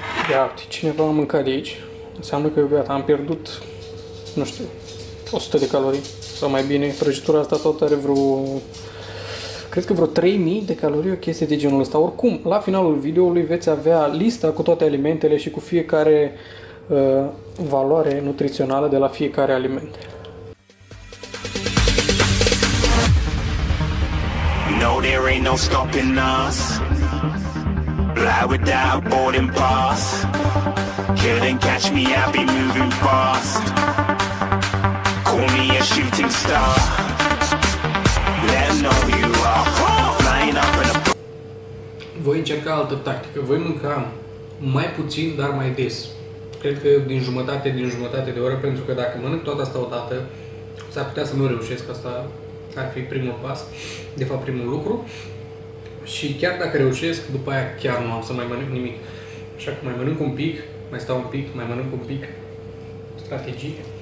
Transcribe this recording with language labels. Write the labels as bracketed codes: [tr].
[ro] Ia uite, cineva a mâncat de aici, înseamnă că gata, am pierdut, nu știu, 100 de calorii sau mai bine, prăjitura asta tot are vreo, cred că vreo 3000 de calorii, o chestie de genul ăsta. Oricum, la finalul videoului veți avea lista cu toate alimentele și cu fiecare valoare nutrițională de la fiecare aliment. [en] No, there ain't no stopping us. Fly without boarding pass. Couldn't catch me, I'll be moving fast. Shooting star, let them know who you are. Flying up in a... [ro] Voi încerca altă tactică. Voi mânca mai puțin, dar mai des. Cred că din jumătate de oră, pentru că dacă mănânc toată asta odată, s-ar putea să nu reușesc. Asta ar fi primul pas, de fapt primul lucru. Și chiar dacă reușesc, după aia chiar nu am să mai mănânc nimic. Așa că mai mănânc un pic, mai stau un pic, mai mănânc un pic. Strategie.